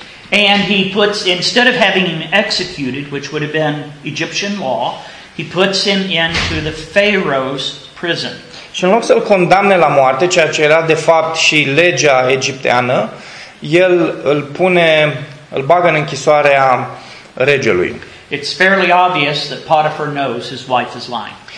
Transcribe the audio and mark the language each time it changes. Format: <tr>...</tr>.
<en>And he puts, instead of having him executed, which would have been Egyptian law, he puts him into the Pharaoh's prison.</en> <ro>Și în loc să-l condamne la moarte, ceea ce era de fapt și legea egipteană, el îl bagă în închisoarea regelui.</ro> <en>It's fairly obvious that Potiphar knows his wife is lying.</en>